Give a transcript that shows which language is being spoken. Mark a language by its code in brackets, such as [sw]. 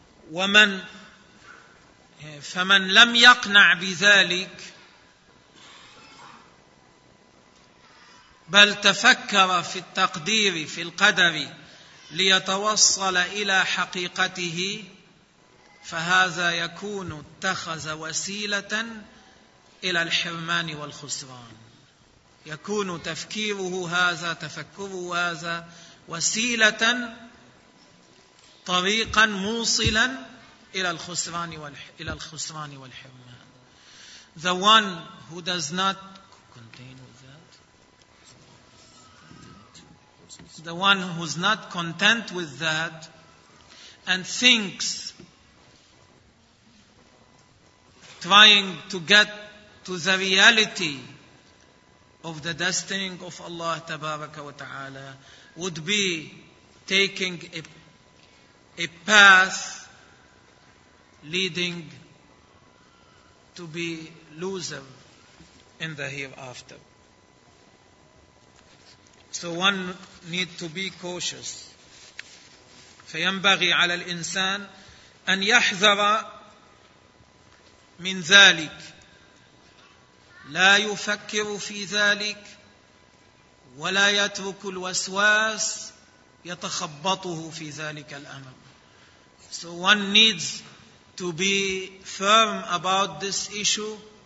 [ar] وَمَنْ فَمَنْ لَمْ يَقْنَعْ بِذَلِكَ بل تفكر في التقدير في القدر ليتوصل إلى حقيقته فهذا يكون اتخذ وسيلة إلى الحرمان والخسران. يكون تفكيره هذا تفكره هذا وسيلة طريقا موصلا إلى الخسران إلى الخسران والحرمان. [en] The one who does not contain the one who's not content with that and thinks trying to get to the reality of the destiny of Allah [ar] tabaraka wa ta'ala [en] would be taking a path leading to be loser in the hereafter. So one need to be cautious. [ar] فينبغي على الإنسان أن يحذر من ذلك. لا يفكر في ذلك ولا يترك الوسواس يتخبطه في ذلك الأمر. [en] So one needs to be firm about this issue.